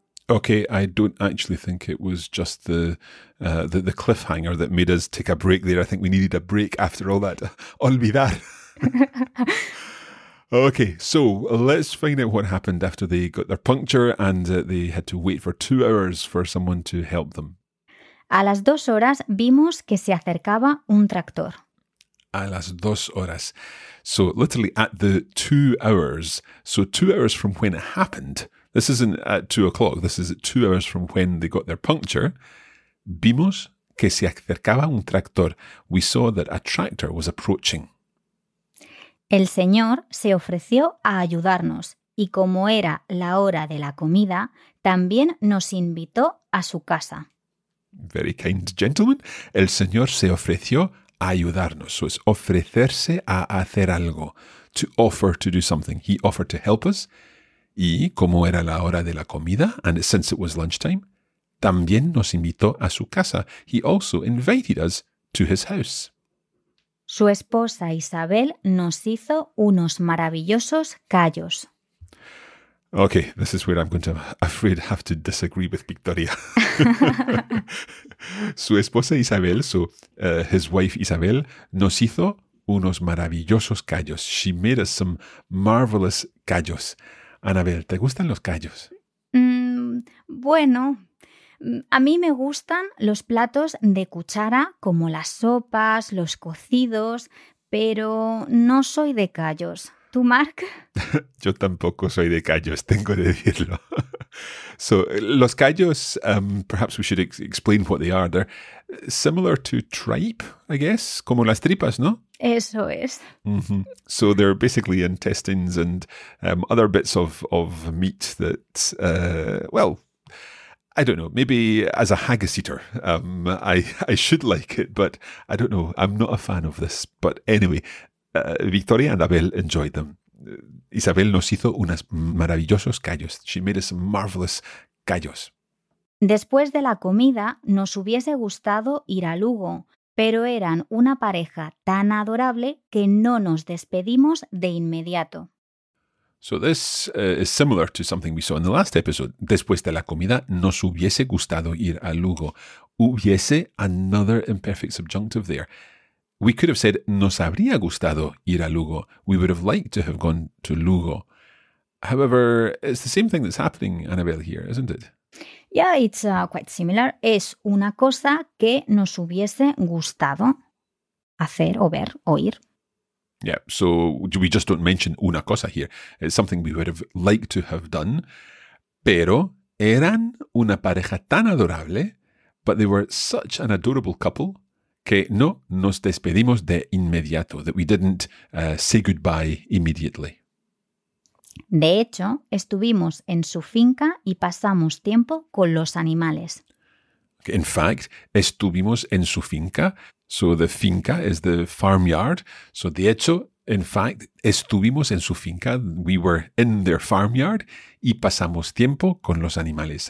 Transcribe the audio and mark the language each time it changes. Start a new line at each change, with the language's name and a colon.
English: Okay, I don't actually think it was just the cliffhanger that made us take a break there. I think we needed a break after all that. Olvidar. Okay, so let's find out what happened after they got their puncture and they had to wait for 2 hours for someone to help them.
Spanish: A las 2 horas vimos que se acercaba un tractor. A las 2 horas.
English: So literally at the 2 hours. So 2 hours from when it happened. This isn't at 2 o'clock. This is at 2 hours from when they got their puncture.
Spanish: Vimos que se acercaba un tractor.
English: We saw that a tractor was approaching.
Spanish: El señor se ofreció a ayudarnos y como era la hora de la comida, también nos invitó a su casa.
English: Very kind gentleman.
Spanish: El señor se ofreció a ayudarnos.
English: So it's
Spanish: ofrecerse a hacer algo.
English: To offer to do something. He offered to help us.
Spanish: Y como era la hora de la comida,
English: and since it was lunchtime,
Spanish: también nos invitó a su casa.
English: He also invited us to his house.
Spanish: Su esposa Isabel nos hizo unos maravillosos callos.
English: Okay, this is where I'm going to, I'm afraid, have to disagree with Victoria.
Spanish: Su esposa Isabel,
English: his wife Isabel,
Spanish: nos hizo unos maravillosos callos.
English: She made us some marvelous callos. Anabel,
Spanish: ¿te gustan los callos? Bueno, a mí me gustan los platos de cuchara, como las sopas, los cocidos, pero no soy de callos. ¿Tú, Mark? Yo tampoco soy de callos, tengo que decirlo.
English: So, los callos, perhaps we should explain what they are. They're similar to tripe, I guess,
Spanish: como las tripas, ¿no? Eso es. Mm-hmm.
English: So they're basically intestines and other bits of meat that, well, I don't know, maybe as a haggis eater, I should like it, but I don't know, I'm not a fan of this. But anyway, Victoria and Abel enjoyed them.
Spanish: Isabel nos hizo unas maravillosos callos.
English: She made us marvelous callos.
Spanish: Después de la comida, nos hubiese gustado ir a Lugo, pero eran una pareja tan adorable que no nos despedimos de inmediato.
English: So this is similar to something we saw in the last episode.
Spanish: Después de la comida, nos hubiese gustado ir a Lugo.
English: Hubiese, another imperfect subjunctive there. We could have said,
Spanish: nos habría gustado ir a Lugo.
English: We would have liked to have gone to Lugo. However, it's the same thing that's happening, Annabelle, here, isn't it? Yeah, it's quite similar.
Spanish: Es una cosa que nos hubiese gustado hacer o ver o ir.
English: Yeah, so we just don't mention una cosa here. It's something we would have liked to have done.
Spanish: Pero eran una pareja tan adorable,
English: but they were such an adorable couple,
Spanish: que no nos despedimos de inmediato,
English: that we didn't say goodbye immediately.
Spanish: De hecho, estuvimos en su finca y pasamos tiempo con los animales.
English: In fact,
Spanish: estuvimos en su finca.
English: So the finca is the farmyard.
Spanish: So de hecho,
English: in fact,
Spanish: estuvimos en su finca.
English: We were in their farmyard
Spanish: y pasamos tiempo con los animales.